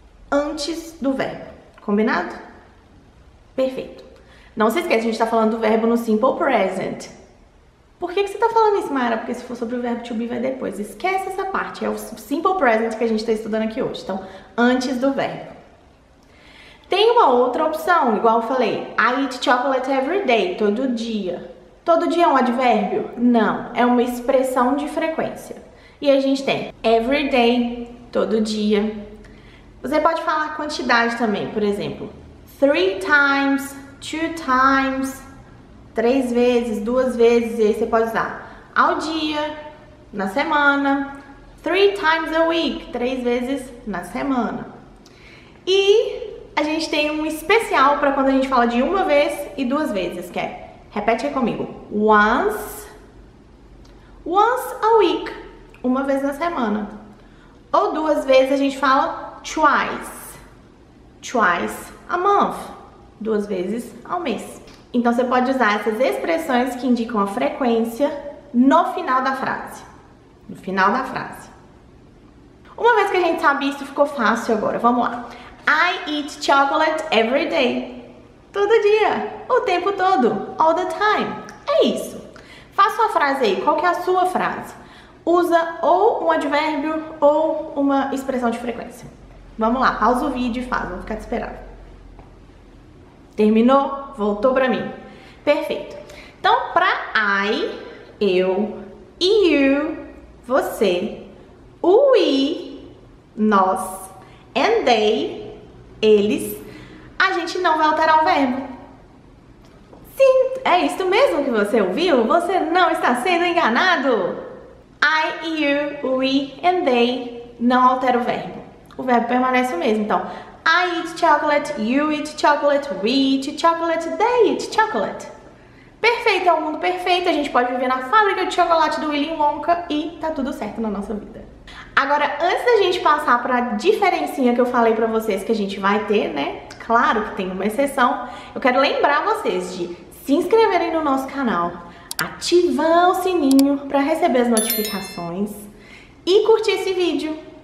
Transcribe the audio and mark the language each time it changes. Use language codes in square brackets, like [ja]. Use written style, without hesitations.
[pt] Antes do verbo. Combinado? Perfeito. Não se esquece, a gente tá falando do verbo no simple present. Por que que você tá falando isso, Mayara? Porque se for sobre o verbo to be, vai depois. Esquece essa parte. É o simple present que a gente tá estudando aqui hoje. Então, antes do verbo. Tem uma outra opção, igual eu falei. [en] I eat chocolate every day, [pt] todo dia. Todo dia é um advérbio? Não, é uma expressão de frequência. E a gente tem [en] every day, [pt] todo dia. Você pode falar quantidade também, por exemplo. [en] Three times, two times, [pt] três vezes, duas vezes, e aí você pode usar ao dia, na semana. [en] Three times a week, [pt] três vezes na semana. E a gente tem um especial para quando a gente fala de uma vez e duas vezes, que é, repete aí comigo, [en] once a week, [pt] uma vez na semana. Ou duas vezes a gente fala [en] twice a month, [pt] duas vezes ao mês. Então você pode usar essas expressões que indicam a frequência no final da frase. No final da frase. Uma vez que a gente sabe isso, ficou fácil agora. Vamos lá. [en] I eat chocolate every day. [pt] Todo dia. O tempo todo. [en] All the time. [pt] É isso. Faça uma frase aí. Qual que é a sua frase? Usa ou um advérbio ou uma expressão de frequência. Vamos lá. Pausa o vídeo e faz. Vou ficar te esperando. Terminou? Voltou pra mim. Perfeito. Então, pra I, eu, e you, você, o we, nós, and they, eles, a gente não vai alterar o verbo. Sim, é isso mesmo que você ouviu? Você não está sendo enganado? [en] I, you, we, and they, [pt] não altera o verbo. O verbo permanece o mesmo, então... [en] I eat chocolate, you eat chocolate, we eat chocolate, they eat chocolate. [pt] Perfeito, é um mundo perfeito, a gente pode viver na fábrica de chocolate do Willy Wonka e tá tudo certo na nossa vida. Agora, antes da gente passar pra diferencinha que eu falei pra vocês que a gente vai ter, né? Claro que tem uma exceção. Eu quero lembrar vocês de se inscreverem no nosso canal, ativar o sininho pra receber as notificações e curtir esse vídeo.